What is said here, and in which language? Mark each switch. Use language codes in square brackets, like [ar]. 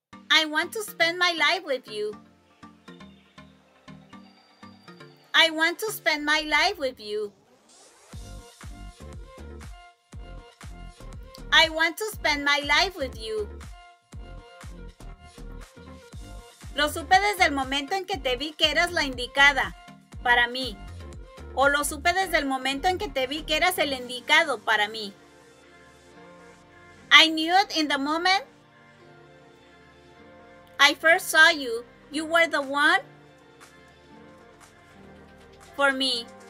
[en] I want to spend my life with you. I want to spend my life with you. I want to spend my life with you. [es] Lo supe desde el momento en que te vi que eras la indicada para mí. O lo supe desde el momento en que te vi que eras el indicado para mí. [en] I knew it in the moment I first saw you. You were the one for me.